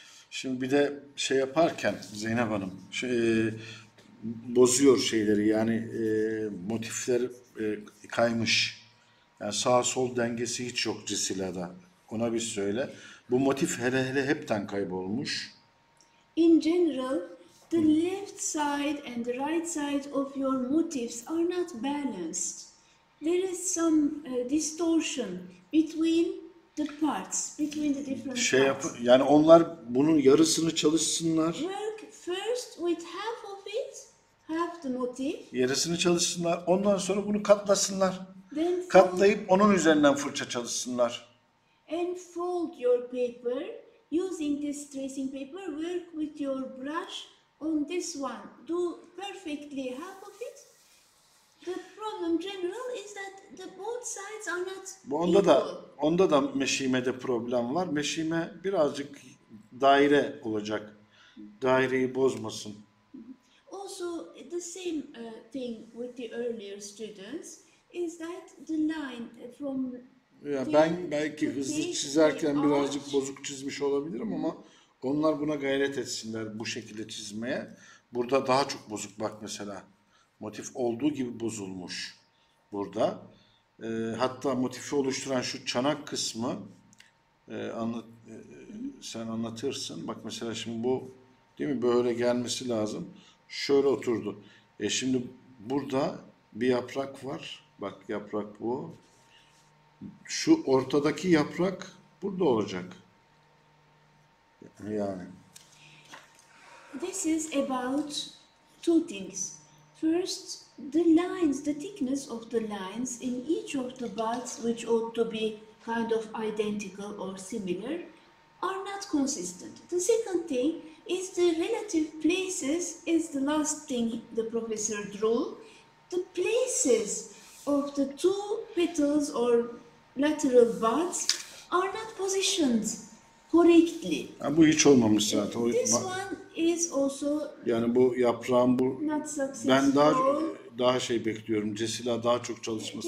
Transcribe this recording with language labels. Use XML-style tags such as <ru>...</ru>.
<tr>Şimdi bir de şey yaparken Zeynep Hanım bozuyor şeyleri yani motifler kaymış. Yani sağ sol dengesi hiç yok Cisila'da. Ona bir söyle. Bu motif hele hele hepten kaybolmuş.</tr> <en>In general the left side and the right side of your motifs are not balanced. There is some distortion between the parts, between the different şey parts.</en> <tr>Yani onlar bunun yarısını çalışsınlar.</tr> <en>Work first with half of it, have the motif.</en> <tr>Yarısını çalışsınlar. Ondan sonra bunu katlasınlar. Then katlayıp onun üzerinden fırça çalışsınlar.</tr> <en>And fold your paper using this tracing paper. Work with your brush on this one. Do perfectly half of it. The problem general is that the both sides are not</en> <tr>bu onda equal. Onda da meşimede problem var. Meşime birazcık daire olacak. Daireyi bozmasın.</tr> <en>Also the same thing with the earlier students is that the line from</en> <tr>ya ben belki hızlı çizerken birazcık bozuk çizmiş olabilirim ama onlar buna gayret etsinler bu şekilde çizmeye. Burada daha çok bozuk bak mesela. Motif olduğu gibi bozulmuş burada. Hatta motifi oluşturan şu çanak kısmı sen anlatırsın. Bak mesela şimdi bu değil mi böyle gelmesi lazım. Şöyle oturdu. Şimdi burada bir yaprak var. Bak yaprak bu. Şu ortadaki yaprak burada olacak. Yani.</tr> <en>This is about two things. First, the lines, the thickness of the lines in each of the buds, which ought to be kind of identical or similar, are not consistent. The second thing is the relative places is the last thing the professor drew. The places of the two petals or lateral buds are not positioned correctly.</en> <tr>Ha, bu hiç olmamış zaten.</tr> <en>This one is also</en> <tr>yani bu yaprağın bu ben daha şey bekliyorum. Cesila daha çok çalışması</tr>